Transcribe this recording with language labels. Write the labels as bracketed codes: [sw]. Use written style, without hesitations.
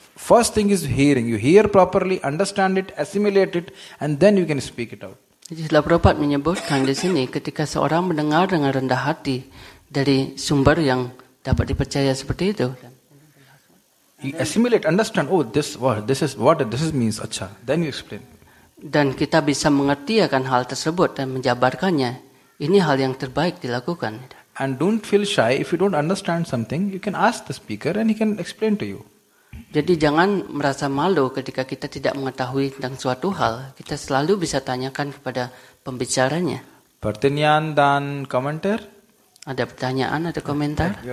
[en] First thing is hearing. You hear properly, understand it, assimilate it, and then you can speak it out. [id] Jadi Srila Prabhupada menyebutkan di sini ketika seorang mendengar dengan rendah hati dari sumber yang dapat dipercaya seperti itu. [en] You assimilate, understand. Oh, this word, this is what this is means. Acha, then you explain. [id] Dan kita bisa mengerti akan hal tersebut dan menjabarkannya. Ini hal yang terbaik dilakukan. [en] And don't feel shy. If you don't understand something, you can ask the speaker and he can explain to you. [id] Jadi jangan merasa malu ketika kita tidak mengetahui tentang suatu hal. Kita selalu bisa tanyakan kepada pembicaranya. Pertanyaan dan komentar? Ada pertanyaan atau komentar?